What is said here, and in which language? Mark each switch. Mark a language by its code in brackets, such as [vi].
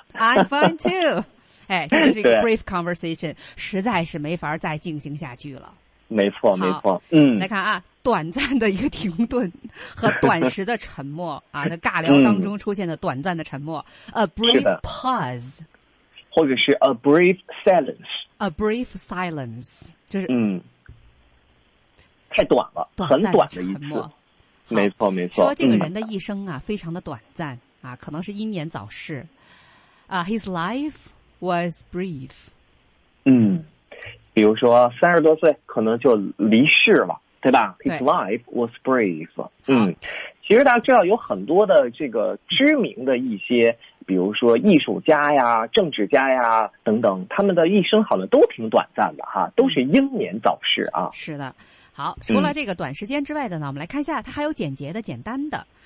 [en] I'm fine too. [zh] 哎，这就是一个 [en] brief conversation， [zh] 实在是没法再进行下去了。没错没错。嗯，来看啊，短暂的一个停顿和短时的沉默啊，那尬聊当中出现的短暂的沉默， [en] a brief pause， [zh] 或者是 [en] a brief silence， a brief silence [zh] 就是太短了，短很短的一次，没错没错。说这个人的一生啊，非常的短暂啊，可能是英年早逝啊。 [en] His life was brief。 [zh] 比如说30多岁，可能就离世了。对吧 [en] ？His life was brief。 [zh] 其实大家知道有很多的这个知名的一些，比如说艺术家呀、政治家呀等等，他们的一生好像都挺短暂的哈，都是英年早逝啊。是的，好，除了这个短时间之外的呢，我们来看一下，它还有简洁的、简单的。